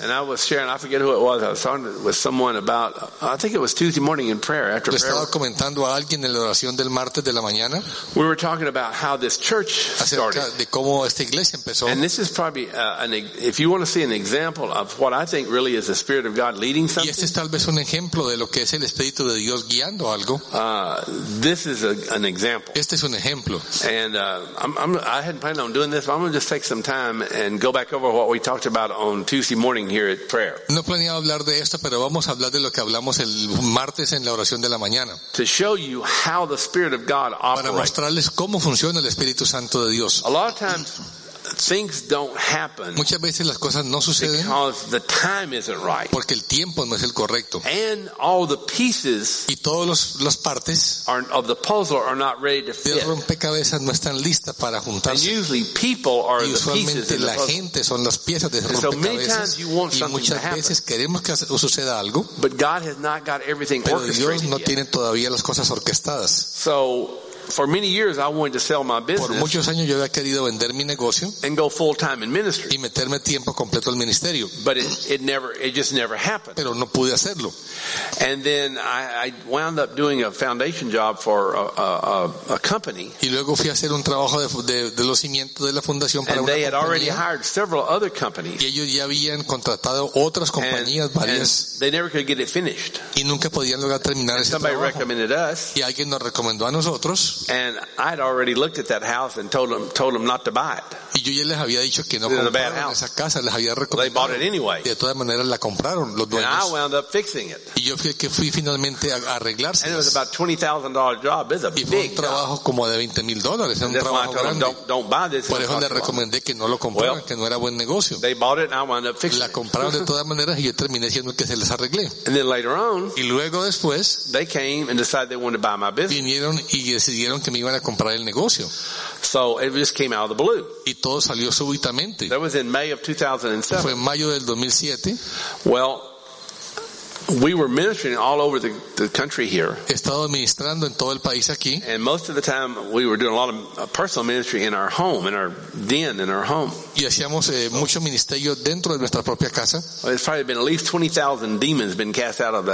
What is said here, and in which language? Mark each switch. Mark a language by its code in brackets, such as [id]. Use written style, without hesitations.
[en] And I was sharing, I forget who it was. I was talking with someone about, I think it was Tuesday morning in prayer after prayer. [es] Le estaba comentando a alguien en la oración del martes de la mañana. [en] We were talking about how this church started. [es] Acerca de cómo esta iglesia empezó. [en] And this is probably if you want to see an example of what I think really is the Spirit of God leading something. [es] Y este es tal vez un ejemplo de lo que es el Espíritu de Dios guiando algo. [en] This is an example. [es] Este es un ejemplo. [en] And I hadn't planned on doing this, but I'm going to just take some time and go back over what we talked about on Tuesday morning here at prayer. [es] No planeaba hablar de esto, pero vamos a hablar de lo que hablamos el martes en la oración de la mañana. [en] To show you how the Spirit of God operates. [es] Para mostrarles cómo funciona el Espíritu Santo de Dios. [en] A lot of times things don't happen. [es] Muchas veces las cosas no suceden. [en] Because the time isn't right. [es] Porque el tiempo no es el correcto. [en] And all the pieces. [es] Y todos los partes. [en] Are, of the puzzle are not ready to fit. [es] De rompecabezas no están listas para juntarse. [en] And usually people are the pieces. [es] Y usualmente la gente son las piezas de rompecabezas. [en] So many times you want something to happen. [es] Y muchas veces queremos que suceda algo. [en] But God has not got everything orchestrated. [es] Pero Dios no [en] yet. [es] Tiene todavía las cosas orquestadas. [en] So. For many years I wanted to sell my business. [es] Por muchos años yo había querido vender mi negocio. [en] And go full time in ministry. [es] Y meterme tiempo completo al ministerio. [en] But it just never happened. [es] Pero no pude hacerlo. [en] And then I wound up doing a foundation job for a company. [es] Y luego fui a hacer un trabajo de los cimientos de la fundación para una compañía. [en] And they had already hired several other companies. [es] Y ellos ya habían contratado otras compañías varias. [en] And they never could get it finished. [es] Y nunca podían lograr terminar ese trabajo. [en] Somebody recommended us. [es] Y alguien nos recomendó a nosotros. [en] And I had already looked at that house and told them not to buy it. [es] Y yo ya les había dicho que no compraran esa casa, les había recomendado. [en] They bought it anyway. [es] De todas maneras la compraron los dueños. [en] And I wound up fixing it. [es] Y yo fui el que fui finalmente a arreglarse. [en] And it was about $20,000 job. It's a big job. [es] Y fue un trabajo como de $20,000. Es un trabajo grande. [en] Don't buy this. [es] Por eso le recomendé que no lo compraran, [en] well, [es] que no era buen negocio. [en] They bought it and I wound up fixing it. [es] La compraron de todas maneras y yo terminé siendo el que se les arreglé. [en] And then later on. [es] Y luego después. [en] They came and decided they wanted to buy my business. [es] Vinieron y decidieron que me iban a comprar el negocio. [en] So it just came out of the blue. [es] Y todo salió súbitamente. [en] That was in May of 2007. [es] Fue en mayo del 2007. [en] Well, we were ministering all over the country here. [es] He estado ministrando en todo el país aquí. [en] And most of the time we were doing a lot of personal ministry in our home, in our home. [es] Y hacíamos mucho ministerio dentro de nuestra propia casa. [en] There's probably been at least 20,000 demons been cast out of the